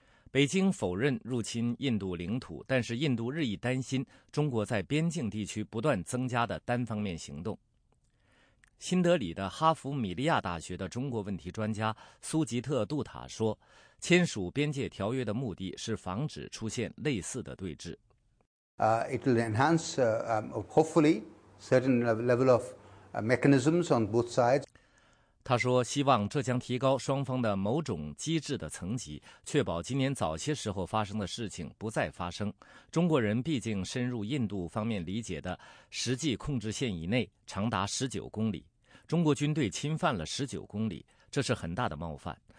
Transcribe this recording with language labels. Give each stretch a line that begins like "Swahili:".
Chinese: 北京否认入侵印度领土，但是印度日益担心中国在边境地区不断增加的单方面行动。新德里的哈佛米利亚大学的中国问题专家苏吉特·杜塔说，签署边界条约的目的是防止出现类似的对峙。
English: It will enhance, hopefully, certain level of mechanisms on both sides.
Chinese: 他说，希望这将提高双方的某种机制的层级，确保今年早些时候发生的事情不再发生。中国人毕竟深入印度方面理解的实际控制线以内，长达19公里。中国军队侵犯了19公里，这是很大的冒犯。